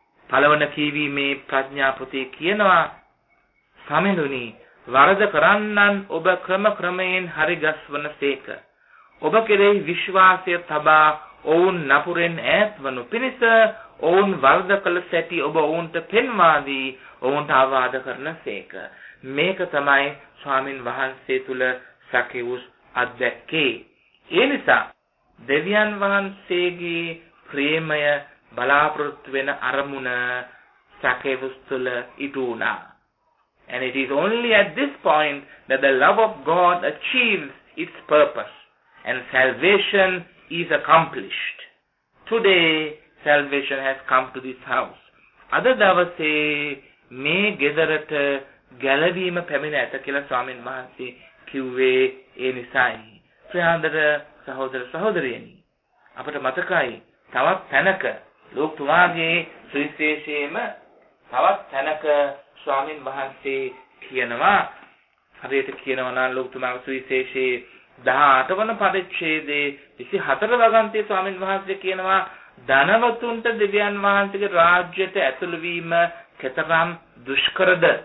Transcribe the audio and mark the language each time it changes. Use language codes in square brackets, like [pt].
[si] පළවන කීවීමේ ප්‍රඥා පොතේ කියනවා, සමිඳුනි වරද කරන්නන් ඔබ ක්‍රම ක්‍රමයෙන් හරි ගස්වන සේක, ඔබ කෙරෙහි විශ්වාසය තබා ඔවුන් නපුරෙන් ඈත්වනු පිණිස ඔවුන් වරද කළ සැටි ඔබ ඔවුන්ට පෙන්වා දී ඔවුන්ට අවවාද කරන සේක. මේක තමයි ස්වාමින් වහන්සේ තුළ සැකෙවුස් අත්දැක්කේ. ඒ නිසා දෙවියන් වහන්සේගේ ප්‍රේමය බලාපොරොත්තු වෙන අරමුණ සැකෙවුස් තුළ ඉටුණා. [en] And it is only at this point that the love of God achieves its purpose and salvation is accomplished. Today, salvation has come to this house. [si] අද දවසේ මේ ගෙදරට ගැලවීම පැමිණ ඇත කියලා ස්වාමීන් වහන්සේ කිව්වේ ඒ නිසායි. ප්‍රියාදර සහෝදර සහෝදරියනි, අපට මතකයි තවත් තැනක ලෝකතුමාගේ සුවිශේෂයේම තවත් තැනක ස්වාමීන් වහන්සේ කියනවා, හරියට කියනවා නම් ලෝකතුමාගේ සුවිශේෂයේ 18 වන පරිච්ඡේදයේ 24 වගන්තියේ ස්වාමීන් වහන්සේ කියනවා, ධනවතුන්ට දෙවියන් වහන්සේගේ රාජ්‍යයට ඇතුළු වීම කතරම් දුෂ්කරද.